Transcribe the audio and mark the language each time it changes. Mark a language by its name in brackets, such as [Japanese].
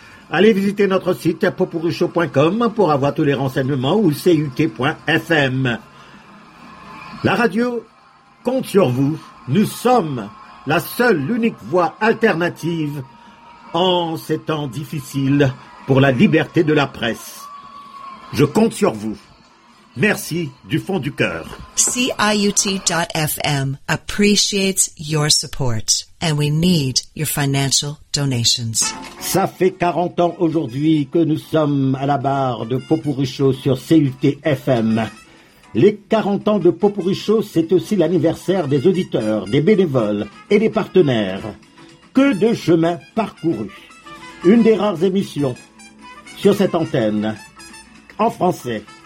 [French] Allez visiter notre site popourichaud.com pour avoir tous les renseignements ou CUT.fm. La radio compte sur vous. Nous sommes la seule, l'unique voie alternative en ces temps difficiles pour la liberté de la presse. Je compte sur vous. Merci du fond du cœur. [English] CIUT.FM appreciates your support and we need your financial donations. [French] Ça fait 40 ans aujourd'hui que nous sommes à la barre de Popourichaud sur CIUT.FM. Les 40 ans de Popourichaud, c'est aussi l'anniversaire des auditeurs, des bénévoles et des partenaires. Que de chemin parcouru. Une des rares émissions sur cette antenne en français,